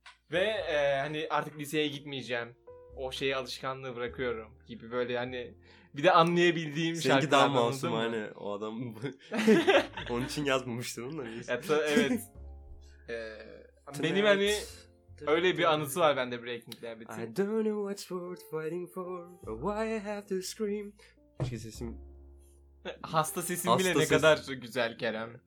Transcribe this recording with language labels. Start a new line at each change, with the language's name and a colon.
Turkish: Ve hani artık liseye gitmeyeceğim. O şeyi, alışkanlığı bırakıyorum gibi böyle hani... Bir de anlayabildiğim şarkı. Sanki daha masum hani o adam. Onun için yazmamıştır onu da. Evet. Benim hani öyle bir anısı var bende Breaking the Habit'in.
English: I don't know what's worth fighting for, but why I have to scream.
Turkish: Şey sesim. Hasta sesim hasta bile ses... ne kadar güzel Kerem.